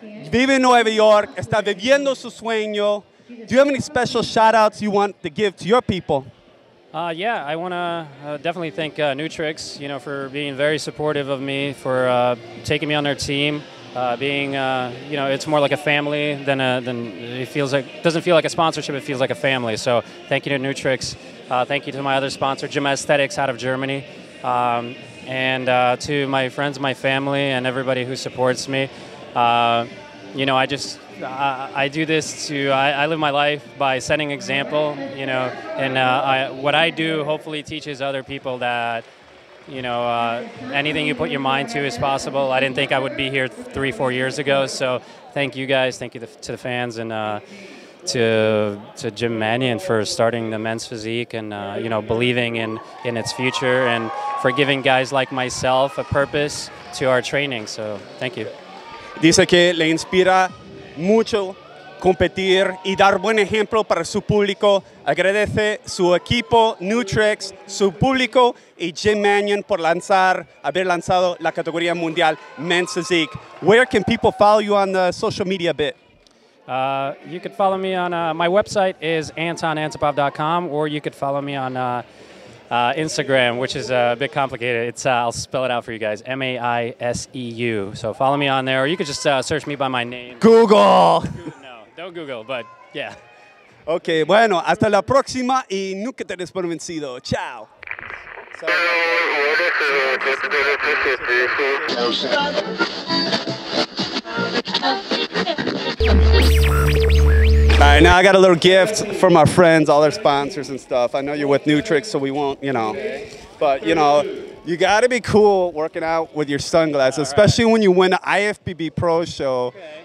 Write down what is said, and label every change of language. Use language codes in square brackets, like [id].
[es] Vive en Nueva York, está viviendo su sueño. [en] Do you have any special shout-outs you want to give to your people? Yeah, I want to definitely thank Nutrix, you know, for being very supportive of me, for taking me on their team, being, you know, it's more like a family than it doesn't feel like a sponsorship, it feels like a family. So thank you to Nutrix. Thank you to my other sponsor, Gym Aesthetics out of Germany. And to my friends, my family, and everybody who supports me. You know, I live my life by setting example, you know, and what I do hopefully teaches other people that, you know, anything you put your mind to is possible. I didn't think I would be here 3-4 years ago, so thank you guys, thank you to the fans, and to Jim Mannion for starting the men's physique and, you know, believing in its future, and for giving guys like myself a purpose to our training, so thank you. [es] Dice que le inspira mucho competir y dar buen ejemplo para su público. Agradece su equipo Nutrix, su público y Jim Mannion por haber lanzado la categoría mundial Men's Physique. [en] Where can people follow you on the social media bit? You could follow me on my website is AntonAntipov.com, or you could follow me on Instagram, which is a bit complicated. It's I'll spell it out for you guys. M-A-I-S-E-U. So follow me on there, or you could just search me by my name. Google. No, don't Google, but yeah. [es] Okay, bueno, hasta la próxima y nunca te des por vencido. Chao. [en] All right, now I got a little gift from our friends, all our sponsors and stuff. I know you're with Nutrix, so we won't, you know. But, you know, you got to be cool working out with your sunglasses, all especially right. When you win the IFBB Pro Show. Okay.